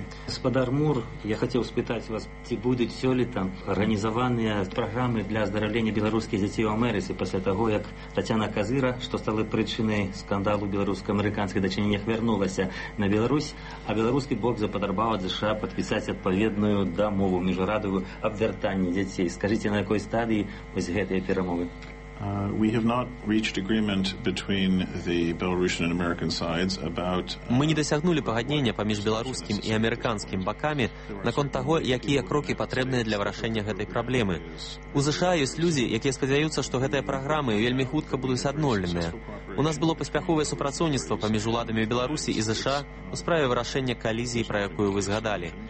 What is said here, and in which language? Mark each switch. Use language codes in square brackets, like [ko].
[be] Спадар Мур, я хацеў спытаць вас, ці будуць сёлета арганізаваныя праграмы для аздараўлення беларускіх дзяцей у Амерыцы пасля таго, як Таціана Казыра, што стала прычынай скандалу беларуска-амерыканскіх дачыненнях, вярнулася на Беларусь, а беларускі бок запатрабаваў ад ЗША падпісаць адпаведную дамову між радаю аб вяртанні дзяцей. Скажыце, на якой стадыі вось гэтыя перамовы? [en] We have not reached agreement between the Belarusian and American sides about [be] Мы не дасягнулі пагаднення паміж беларускім і амерыканскім бакамі наконт таго, якія крокі патрэбныя для вырашэння гэтай праблемы. У ЗША ёсць людзі, якія спадзяюцца, што гэтыя праграмы вельмі хутка будуць адноўленыя. У нас было паспяховае супрацоўніцтва паміж уладамі Беларусі і ЗША ў справе вырашэння калізіі, пра якую вы згадалі.